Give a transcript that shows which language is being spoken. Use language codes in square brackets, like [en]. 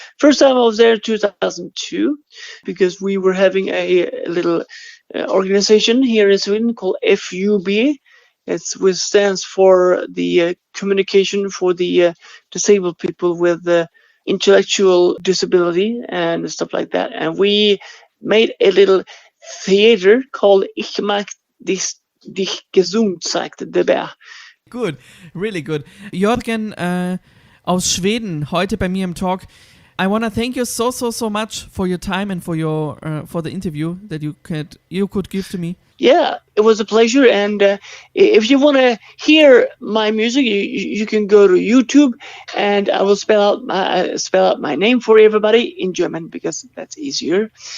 [en] First time I was there in 2002, because we were having a little organization here in Sweden called FUB. It's, which stands for the communication for the disabled people with intellectual disability and stuff like that. And we made a little theater called Ich mag dich. [de] Dich gesund, sagt der Bär. [en] Good, really good. [de] Jörgen aus Schweden, heute bei mir im Talk. [en] I want to thank you so, so, so much for your time and for the interview that you could give to me. Yeah, it was a pleasure. And if you want to hear my music, you can go to YouTube and I will spell out my name for everybody in German because that's easier.